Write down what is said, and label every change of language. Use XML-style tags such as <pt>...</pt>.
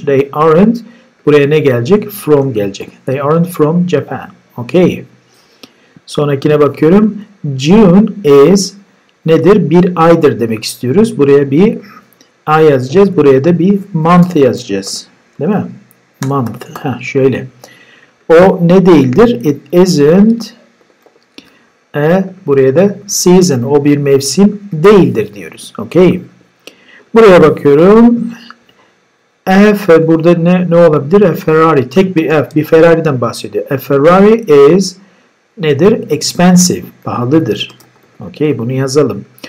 <en>They aren't.</en> <tr>Buraya ne gelecek? From gelecek.</tr> <en>They aren't from Japan. Okay.</en> <tr>Sonrakine bakıyorum. June is nedir? Bir aydır demek istiyoruz. Buraya bir ay yazacağız. Buraya da bir month yazacağız. Değil mi? Month. Ha, şöyle. O ne değildir?</tr> <en>It isn't a,</en> <tr>buraya da</tr> <en>season.</en> <tr>O bir mevsim değildir diyoruz. Okay. Buraya bakıyorum. F burada ne olabilir? A Ferrari. Tek bir F. Bir Ferrari'den bahsediyor.</tr> <en>A Ferrari is</en> <tr>nedir?</tr> <en>Expensive.</en> <tr>Pahalıdır.</tr> <en>Okay.</en> <tr>Bunu yazalım.</tr>